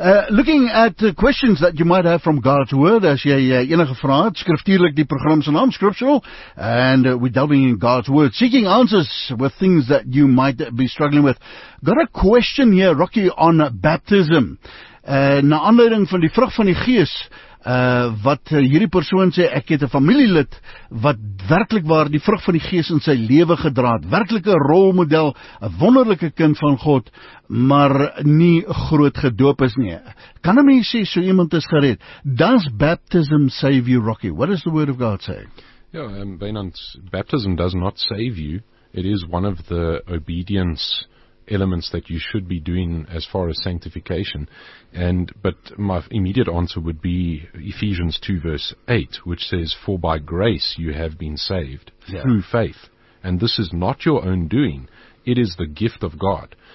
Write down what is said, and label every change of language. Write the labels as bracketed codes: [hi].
[en] Looking at the questions that you might have from God's Word, [af] as jy enige vrae het, skriftuurlik die program se naam, [en] Scriptural, and we're delving in God's Word, seeking answers with things that you might be struggling with. Got a question here, Rocky, on baptism. [af] Na aanleiding van die vrug van die gees, wat hierdie persoon sê, ek het 'n familielid wat werklik waar die vrug van die gees in sy lewe gedra het, werklik 'n rolmodel, 'n wonderlike kind van God, maar nie groot gedoop is nie. Kan 'n mens sê so iemand is gered? [en] Does baptism save you, Rocky? What does the word of God say? Ja, Benant, baptism does not save you. It is one of the obedience elements that you should be doing as far as sanctification. But my immediate answer would be Ephesians 2:8, which says, for by grace you have been saved through faith, and this is not your own doing, it is the gift of God.